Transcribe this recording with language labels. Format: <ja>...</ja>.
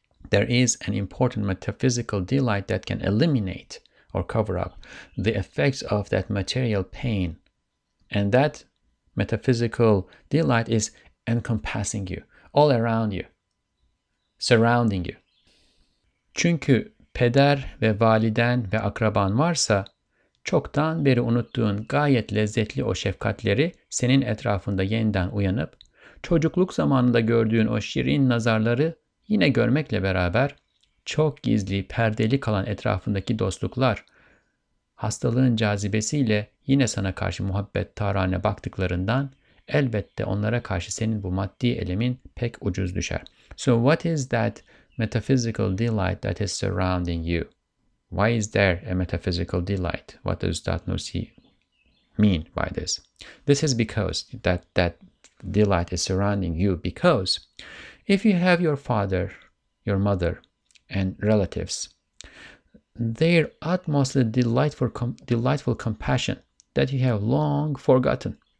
<en>There is an important metaphysical delight that can eliminate or cover up the effects of that material pain. And that metaphysical delight is encompassing you, all around you, surrounding you.</en> <tr>Çünkü peder ve validen ve akraban varsa, çoktan beri unuttuğun gayet lezzetli o şefkatleri senin etrafında yeniden uyanıp, çocukluk zamanında gördüğün o şirin nazarları yine görmekle beraber, çok gizli, perdeli kalan etrafındaki dostluklar, hastalığın cazibesiyle yine sana karşı muhabbet tarane baktıklarından, elbette onlara karşı senin bu maddi elemin pek ucuz düşer.</tr> <en>So what is that metaphysical delight that is surrounding you? Why is there a metaphysical delight? What does Ustad Nursi mean by this? This is because that delight is surrounding you. Because if you have your father, your mother, and relatives, their utmostly delightful compassion that you have long forgotten.</en>